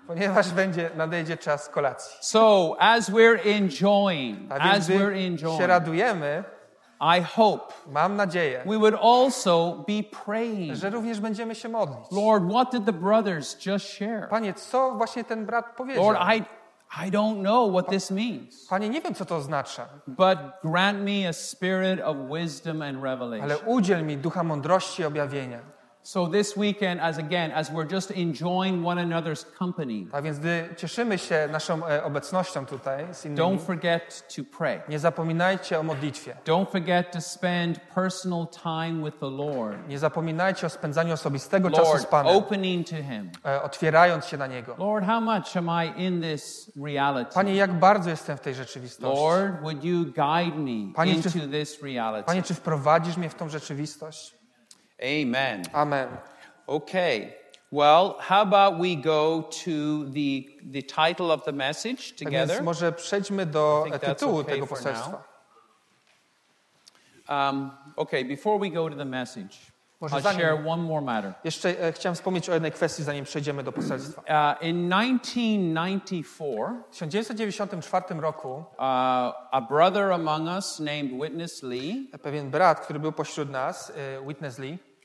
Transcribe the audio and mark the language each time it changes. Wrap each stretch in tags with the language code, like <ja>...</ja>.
<pl>Ponieważ będzie nadejdzie czas kolacji.</pl> <en>So as we're enjoying, as we're enjoying,</en> <pl>się radujemy,</pl> <en>I hope,</en> <pl>mam nadzieję,</pl> <en>we would also be praying,</en> <pl>że również będziemy się modlić.</pl> <en>Lord, what did the brothers just share?</en> <pl>Panie, co właśnie ten brat powiedział?</pl> <en>Lord, I don't know what this means.</en> <pl>Panie, nie wiem, co to oznacza.</pl> <en>But grant me a spirit of wisdom and revelation.</en> <pl>Ale udziel mi ducha mądrości i objawienia.</pl> <en>So this weekend, as again, as we're just enjoying one another's company.</en> <pl>Tak więc gdy cieszymy się naszą obecnością tutaj z innymi.</pl> <en>Don't forget to pray.</en> <pl>Nie zapominajcie o modlitwie.</pl> <en>Don't forget to spend personal time with the Lord.</en> <pl>Nie zapominajcie o spędzaniu osobistego</pl> <en>Lord,</en> <pl>czasu z Panem.</pl> <en>Opening to him.</en> <pl>Otwierając się na Niego.</pl> <en>Lord, how much am I in this reality?</en> <pl>Panie, jak bardzo jestem w tej rzeczywistości?</pl> <en>Lord, would you guide me into this reality?</en> <pl>Panie, czy wprowadzisz mnie w tą rzeczywistość?</pl> <en>Amen.</en> <pl>Amen.</pl> <en>Okay. Well, how about we go to the title of the message together?</en> <pl>Tak więc może przejdźmy do tytułu okay tego poselstwa.</pl> <en>Okay, before we go to the message.</en> <pl>Może zanim,</pl> <en>I'll share one more matter.</en> <pl>Jeszcze chciałem wspomnieć o jednej kwestii, zanim przejdziemy do poselstwa.</pl> <en>In 1994,</en> <pl>w 1994 roku,</pl> <en>a brother among us named Witness Lee,</en> <pl>pewien brat, który był pośród nas, Witness Lee,</pl>